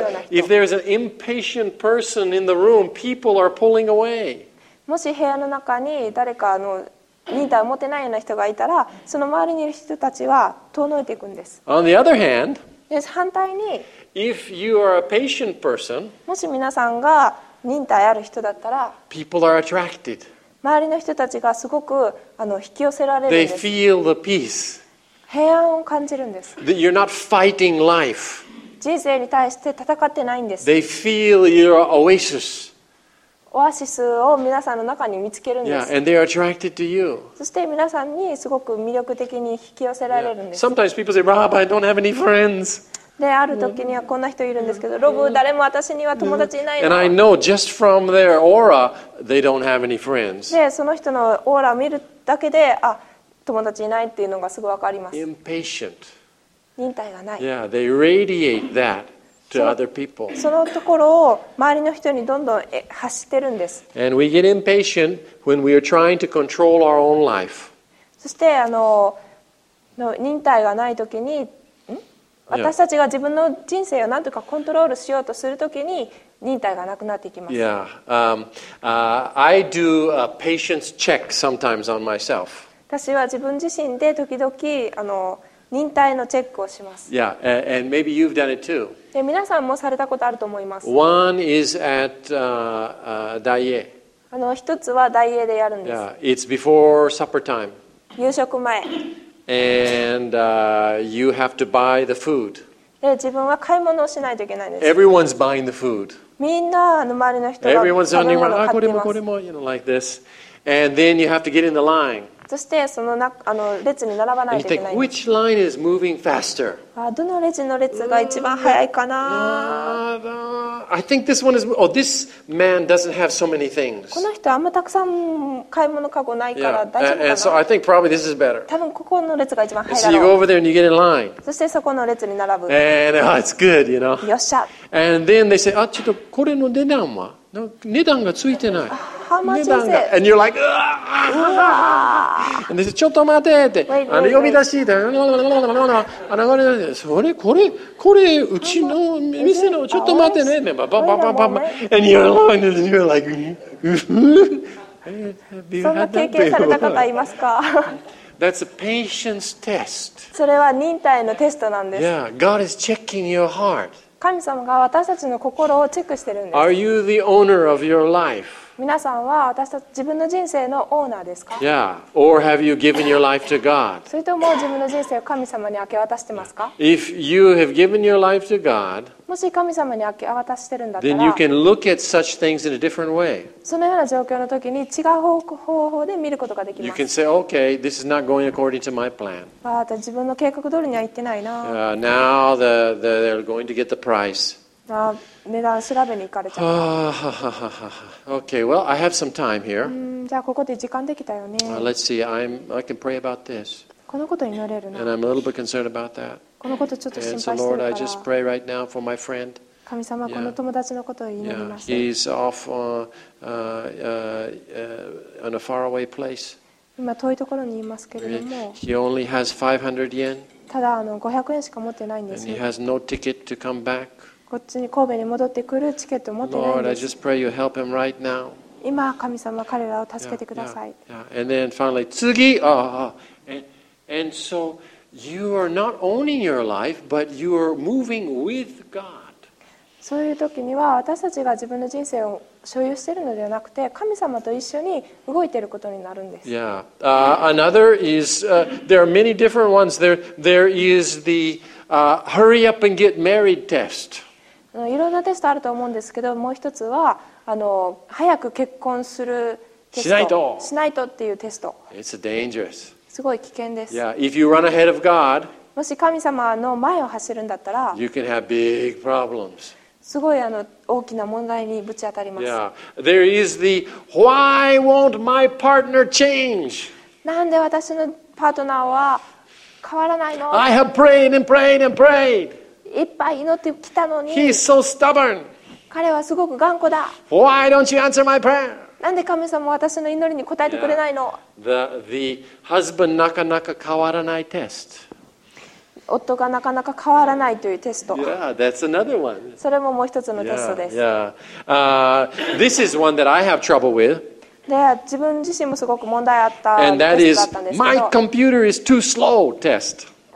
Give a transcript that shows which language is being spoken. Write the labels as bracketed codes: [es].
[en] If there is an impatient person in the room, people are pulling away. [ja] もし部屋の中に誰かの忍耐を持てないような人がいたら、その周りにいる人たちは遠のいていくんです。 [en] On the other hand, [ja] 反対に、 [en] if you are a patient person, [ja] もし皆さんが忍耐ある人だったら、 [en] people are attracted. [ja] 周りの人たちがすごく引き寄せられるんです。 [en] They feel the peace. [ja] 平安を感じるんです。 [en] That you're not fighting life. [ja] 人生に対して戦ってないんです。 [en] They feel your oasis. [ja] オアシスを皆さんの中に見つけるんです。 [en] Yeah, and they are attracted to you. [ja] そして皆さんにすごく魅力的に引き寄せられるんです。 [en] Yeah. Sometimes people say, "Rob, I don't have any friends." [ja] で、ある時にはこんな人いるんですけど、ロブ、誰も私には友達いないの。 [en] And I know just from their aura, they don't have any friends. [ja] で、その人のオーラを見るだけで、あ、友達いないっていうのがすぐわかります。 [en] Impatient. [ja] 忍耐がない。 [en] Yeah, they radiate that to other people. [ja] そのところを周りの人にどんどん発してるんです。 [en] And we get impatient when we are trying to control our own life. [ja] そして忍耐がないときに、私たちが自分の人生を何とかコントロールしようとするときに忍耐がなくなっていきます。 [en] Yeah, I do a patience check sometimes on myself. [ja] 私は自分自身で時々忍耐のチェックをします。 [en] Yeah, and maybe you've done it too. [ja] で、皆さんもされたことあると思います。 [en] One is at Daiei. [ja] あの一つは大英でやるんです。 [en] Yeah, it's before supper time. [ja] 夕食前。 [en] And you have to buy the food. [ja] で自分は買い物をしないといけないんです。 [en] Everyone's buying the food. [ja] みんなあの周りの人が食べ物を買っています。 [en] Everyone's running around. [ja] これもこれも、 [en] you know, like this. And then you have to get in the line. [ja] そしてその中あの列に並ばないといけない。 [en] Which line is moving faster? [ja] どの列の列が一番速いかな。 [en] I think this one is. Oh, this man doesn't have so many things. [ja] この人あんまたくさん買い物かごないから大丈夫かな。 [en] Yeah. And so I think probably this is better. [ja] 多分ここの列が一番速いだろう。 [en] So you go over there and you get in line. [ja] そしてそこの列に並ぶ。 [en] And oh, it's good, you know. [ja] よっしゃ。 [en] And then they say, [ja] あ、ちょっとこれの値段は。値段がついてない。 [en] How much [ja] 値段が。 [en] And you're like, and they say, [ja] ちょっと待てって。呼び出しで、流れ出して、それ、これ、これ、うちの店の、ちょっと待てね。 [en] ババババババ。And you're like, [ja] そんな経験された方いますか？ [en] That's a patience test. [ja] それは忍耐のテストなんです。 [en] Yeah, God is checking your heart. [ja] 神様が私たちの心をチェックしてるんです。 [en] Are you the owner of your life? [ja] 皆さんは私たち自分の人生のオーナーですか？ [en] Yeah. Or have you given your life to God? [ja] それとも自分の人生を神様に明け渡してますか？ [en] If you have given your life to God, [ja] もし神様に明け渡してるんだったら、 [en] then you can look at such things in a different way. [ja] そのような状況の時に違う方法で見ることができます。 [en] You can say, okay, this is not going according to my plan. [ja] 自分の計画通りには行ってないな。 [en] Now they're going to get the price. [ja] 値段調べに行かれちゃ [en] う。Okay, well, I have some time here. [ja] じゃあここで時間できたよね。 [en] Let's see, I can pray about this. [ja] このこと祈れるな。 [en] And I'm a little bit concerned about that. [ja] このことちょっと心配してるから。 [en] So Lord, I just pray right now for my friend. [ja] 神様、この友達のことを祈ります。 [en] He's off on a faraway place. [ja] 今遠いところにいますけれども。 [en] He only has 500 yen. [ja] ただ500円しか持ってないんですよ。 [en] And he has no ticket to come back. [ja] こっちに神戸に戻ってくるチケットを持ってないんです。 [en] Lord, I just pray you help him right now. [ja] 今神様彼らを助けてください。 [en] And then finally, [ja] 次、 [en] and so you are not owning your life, but you are moving with God. [ja] そういう時には私たちが自分の人生を所有しているのではなくて、神様と一緒に動いていることになるんです。 [en] Yeah. Another is there are many different ones. There is the hurry up and get married test. [ja] いろんなテストあると思うんですけど、もう一つは早く結婚するテスト、しないとっていうテスト。 [en] It's dangerous. [ja] すごい危険です。 [en] Yeah, if you run ahead of God, [ja] もし神様の前を走るんだったら、 [en] you can have big problems. [ja] すごい大きな問題にぶち当たります。 [en] Yeah, there is the why won't my partner change? [ja] なんで私のパートナーは変わらないの [en] ？I have prayed and prayed and prayed. [ja] いっぱい祈ってきたのに。 [en] He is so stubborn. [ja] 彼はすごく頑固だ。 [en] Why don't you answer my prayer? [ja] なんで神様は私の祈りに答えてくれないの？ [en] The husband [ja] なかなか変わらないテスト。夫がなかなか変わらないというテスト。 [en] Yeah, that's another one. [ja] それももう一つのテストです。 [en] This is one that I have trouble with. [ja] で、自分自身もすごく問題あったテストだったんですけど。 [en] And that is my computer is too slow test.